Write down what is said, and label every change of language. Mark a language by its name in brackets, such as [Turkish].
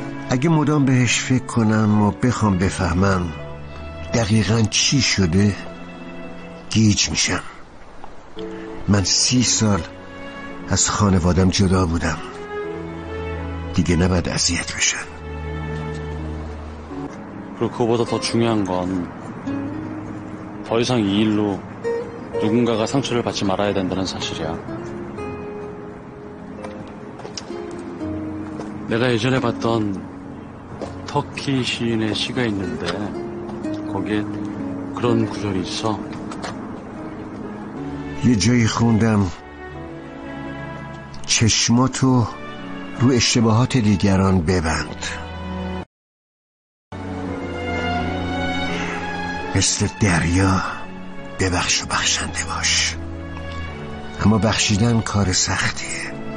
[Persian] اگه مدام بهش فکر کنم و بخوام بفهمم دقیقا چی شده گیج میشم. من 30 سال از خانوادم جدا بودم، دیگه نباید اذیت بشم. [Korean] 그리고 그거보다 더 중요한 건 더 이상 이 일로 누군가가 상처를 받지 말아야 된다는 사실이야. 내가 예전에 봤던 터키 시인의 시가 있는데 거기에 그런 구절이 있어. 예전에 봤던 [Persian] چشماتو رو اشتباهات دیگران ببند. مثل دریا ببخش و بخشنده باش، اما بخشیدن کار سختیه.